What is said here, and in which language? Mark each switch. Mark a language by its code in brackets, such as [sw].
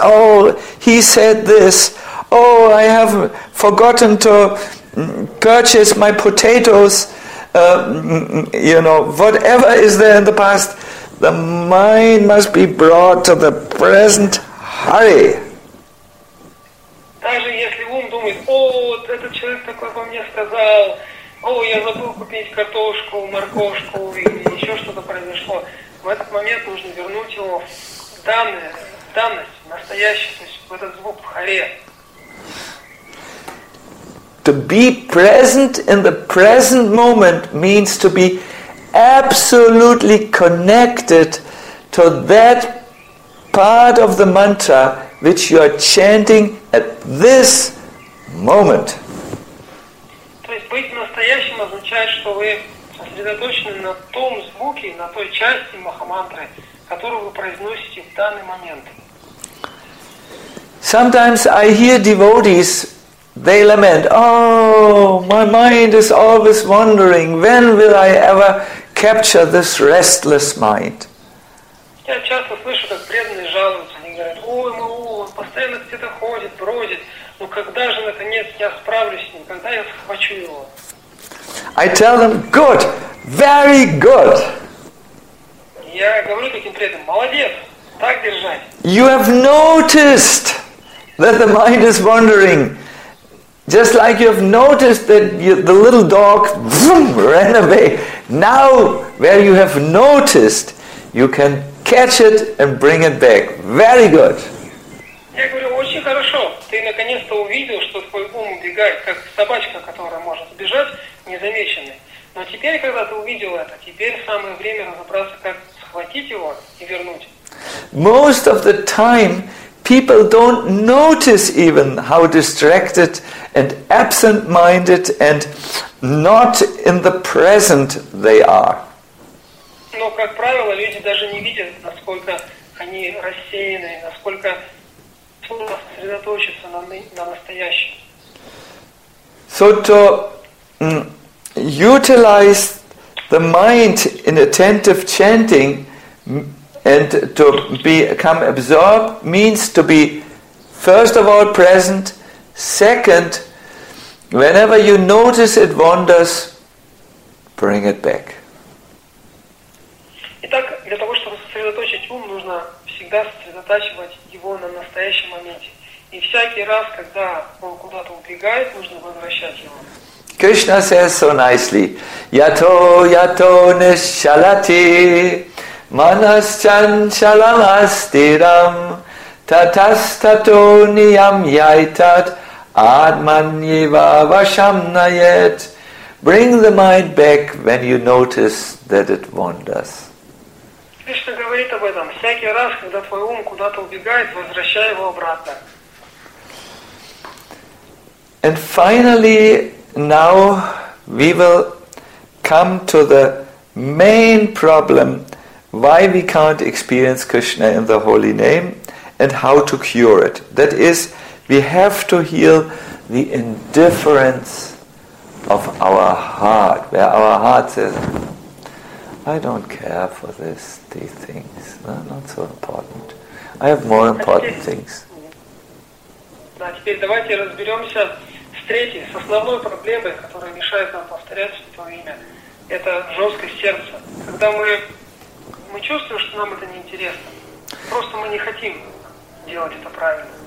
[en] Oh, he said this. Oh, I have forgotten to purchase my potatoes. Whatever is there in the past, the mind must be brought to the present. Hurry. [ru] Даже если ум думает, о, вот этот человек такой во мне сказал, о, я забыл купить картошку, морковку, или еще что-то произошло, в этот момент нужно вернуть его в данное, в данность, в настоящее, то есть в этот звук в харе. [en] To be present in the present moment means to be absolutely connected to that part of the mantra which you are chanting at this moment. [ru] То есть быть настоящим означает, что вы сосредоточены на том звуке, на той части махамантры, которую вы произносите в данный момент. [en] Sometimes I hear devotees, they lament, oh, my mind is always wandering, when will I ever capture this restless mind? [ru] Я часто слышу, как преданные жалуются, они говорят, ой, мой ум, он постоянно где-то ходит, бродит, но когда же, наконец, я справлюсь с ним, когда я схвачу его? [en] I tell them, good, very good. [ru] Я говорю таким преданным, молодец, так держать. [en] You have noticed that the mind is wandering. Just like you have noticed that the little dog vroom, ran away. Now, where you have noticed, you can catch it and bring it back. Very good. [ru] Я говорю, очень хорошо. Ты наконец-то увидел, что твой ум убегает, как собачка, которая может сбежать незамеченной. Но теперь, когда ты увидел это, теперь самое время разобраться, как схватить его и вернуть. [en] Most of the time, people don't notice even how distracted and absent-minded and not in the present they are. [ru] Но, как правило, люди даже не видят, насколько они рассеяны, насколько трудно сосредоточиться на настоящем. [en] So to utilize the mind in attentive chanting and to become absorbed means to be first of all present, second, whenever you notice it wanders, bring it back. [ru] Итак, для того, чтобы сосредоточить ум, нужно всегда сосредотачивать его на настоящем моменте. И всякий раз, когда он куда-то убегает, нужно возвращать его. [en] Krishna says so nicely, [sa] Yato yato nishalati, manas chanchalam astiram, tatas tato niyam yaitat, Admanyiva Vashamnayet. [en] Bring the mind back when you notice that it wanders. [ru] Krishna говорит об этом. Всякий раз, когда твой ум куда-то убегает, возвращай его обратно. [en] And finally, now we will come to the main problem, why we can't experience Krishna in the holy name and how to cure it. That is, we have to heal the indifference of our heart, where our heart says, I don't care for this, these things, no, not so important. I have more important things. [ru] Да, теперь давайте разберемся с третьей, с основной проблемой, которая мешает нам повторять Святое Имя. Это жесткость сердца. Когда мы чувствуем, что нам это неинтересно, просто мы не хотим делать это правильно.